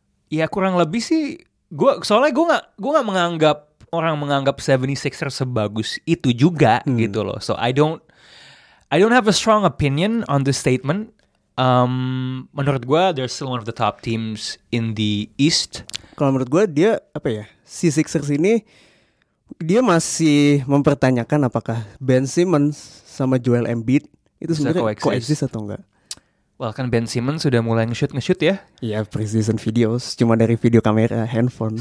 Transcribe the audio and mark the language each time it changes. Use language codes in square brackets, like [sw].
[id] Ya kurang lebih sih gue, soalnya gue gak menganggap orang menganggap 76ers sebagus itu juga gitu loh. [en] So I don't have a strong opinion on this statement. [id] Menurut gue, [en] they're still one of the top teams in the East. [id] Kalau menurut gue, dia apa ya? Si Sixers ini dia masih mempertanyakan apakah Ben Simmons sama Joel Embiid itu sebenarnya coexist atau enggak? Well, kan Ben Simmons sudah mulai nge-shoot ya? Iya, [en] preseason videos [id] cuma dari video kamera handphone.